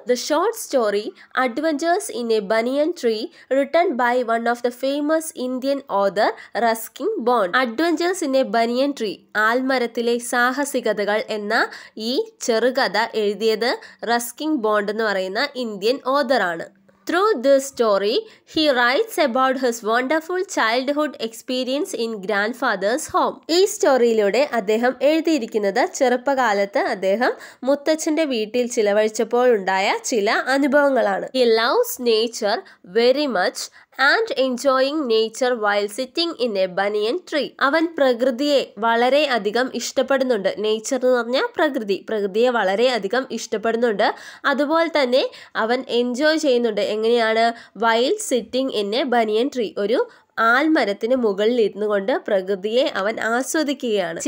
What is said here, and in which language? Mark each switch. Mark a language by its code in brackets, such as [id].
[en] The short story adventures in a banyan tree, written by one of the famous Indian author Ruskin Bond. [ml] Adventures in A banian tree, ആൽമരത്തിലെ സാഹസികതകൾ എന്ന ഈ ചെറുകഥ എഴുതിയത് റസ്കിങ് bond എന്ന് പറയുന്ന Indian ഓതറാണ്. [en] Through this story, he writes about his wonderful childhood experience in grandfather's home. [ml] ഈ സ്റ്റോറിയിലൂടെ അദ്ദേഹം എഴുതിയിരിക്കുന്നത് ചെറുപ്പകാലത്ത് അദ്ദേഹം മുത്തച്ഛന്റെ വീട്ടിൽ ചിലവഴിച്ചപ്പോൾ ഉണ്ടായ ചില അനുഭവങ്ങളാണ്. [en] He loves nature very much and enjoying nature while sitting in a banyan tree. [ml] അവൻ പ്രകൃതിയെ വളരെ അധികം ഇഷ്ടപ്പെടുന്നുണ്ട്. നേച്ചർ എന്ന് പറഞ്ഞാൽ പ്രകൃതി, പ്രകൃതിയെ വളരെ അധികം ഇഷ്ടപ്പെടുന്നുണ്ട്. അതുപോലെ തന്നെ അവൻ എൻജോയ് ചെയ്യുന്നുണ്ട്. എങ്ങനെയാണ്, [en] while sitting in a banyan tree, [ml] ഒരു ആൽമരത്തിന് മുകളിൽ ഇരുന്നു കൊണ്ട് പ്രകൃതിയെ അവൻ ആസ്വദിക്കുകയാണ്.